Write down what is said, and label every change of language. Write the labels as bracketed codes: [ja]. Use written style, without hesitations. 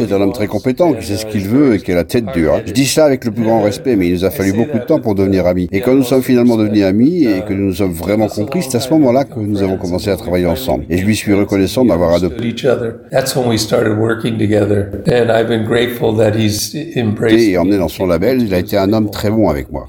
[fr] est un homme très compétent qui sait ce qu'il veut et qui a la tête dure. Je dis ça avec le plus grand respect, mais il nous a fallu beaucoup de temps pour devenir amis. Et quand nous sommes finalement devenus amis et que nous nous sommes vraiment compris, c'est à ce moment-là que nous avons commencé à travailler ensemble. Et je lui suis reconnaissant d'avoir adopté. [en] That's when we started working together, and I've been grateful that he's embraced. [fr] Et emmené dans son label, il a été un homme très bon avec moi.